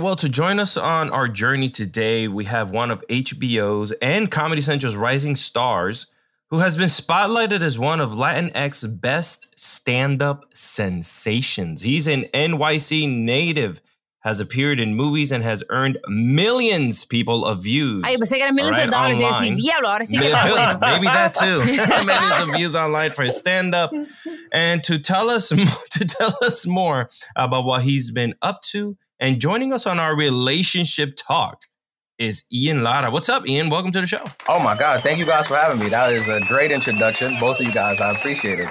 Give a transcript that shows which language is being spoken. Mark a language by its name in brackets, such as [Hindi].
[English] Well, to join us on our journey today, we have one of HBO's and Comedy Central's rising stars who has been spotlighted as one of Latinx's best stand-up sensations. He's an NYC native, has appeared in movies, and has earned millions people of views. [Spanish] Ay, pues se ganan millones de dólares. Yo decía, diablo, ahora sí que está bueno. [English] Maybe that too. Millions of views online for his stand-up. And to tell us more about what he's been up to and joining us on our relationship talk is Ian Lara. What's up, Ian? Welcome to the show. Oh, my God. Thank you guys for having me. That is a great introduction. Both of you guys, I appreciate it.